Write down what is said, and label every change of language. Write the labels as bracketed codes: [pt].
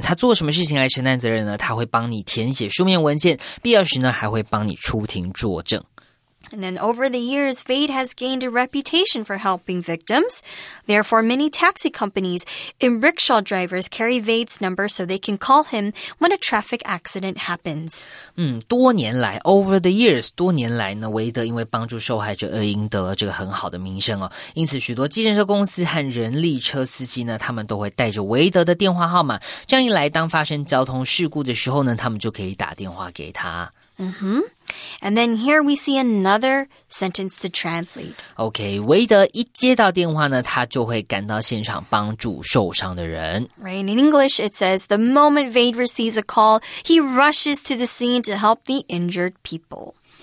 [zh] 他做什么事情来承担责任呢？他会帮你填写书面文件，必要时呢还会帮你出庭作证。 [en] And then over the years, Vade has gained a reputation for helping victims. Therefore, many taxi companies and rickshaw drivers carry Vade's number so they can call him when a traffic accident happens. [zh] 多年来 , [en] over the years, [zh] 多年来呢，韦德因为帮助受害者而赢得了这个很好的名声哦。因此许多计程车公司和人力车司机呢，他们都会带着韦德的电话号码。这样一来，当发生交通事故的时候呢，他们就可以打电话给他。 Mm-hmm. [en] And then here we see another sentence to translate. [zh] Okay, 韦德一接到电话呢，他就会赶到现场帮助受伤的人。 [en] Right, in English it says, the moment Wade receives a call, he rushes to the scene to help the injured people.